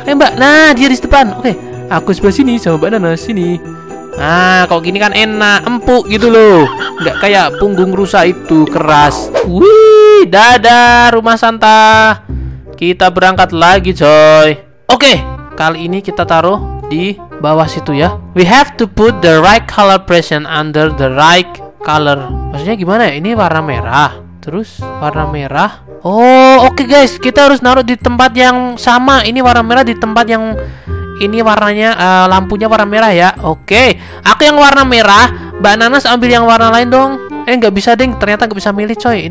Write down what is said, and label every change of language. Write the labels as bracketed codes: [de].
[id] Eh mbak, nah dia di depan. Oke, aku sebelah sini sama Mbak Nanas sini. Nah, kalau gini kan enak, empuk gitu loh. Nggak kayak punggung rusa itu, keras. Wih, dadah rumah Santa. Kita berangkat lagi coy. Oke, kali ini kita taruh di bawah situ ya. [en] We have to put the right color present under the right color. [id] Maksudnya gimana ya, ini warna merah. Terus, warna merah. Oh, oke guys, kita harus naruh di tempat yang sama. Ini warna merah di tempat yang... Ini warnanya, lampunya warna merah ya. Oke, aku yang warna merah. Mbak Nanas ambil yang warna lain dong. Eh, nggak bisa deng, ternyata nggak bisa milih coy.